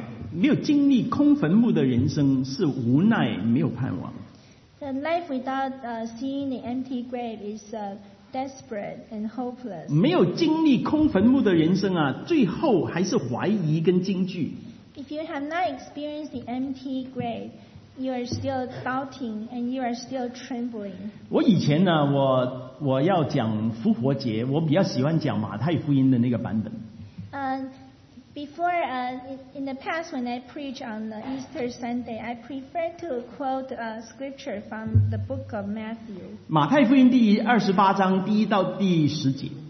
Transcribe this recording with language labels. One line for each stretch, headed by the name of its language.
Chinese: 没有经历空坟墓的人生是无奈没有盼望
English: The life without seeing the empty grave is desperate and hopeless.
Chinese: 没有经历空坟墓的人生啊，最后还是怀疑跟惊惧。
English: If you have not experienced the empty grave, you are still doubting and you are still trembling.
Chinese: 我以前呢，我要讲复活节，我比较喜欢讲马太福音的那个版本。
English: Before, in the past, when I preach on the Easter Sunday, I prefer to quote a scripture from the book of Matthew.
Chinese: 马太福音第二十八章第一到第十节。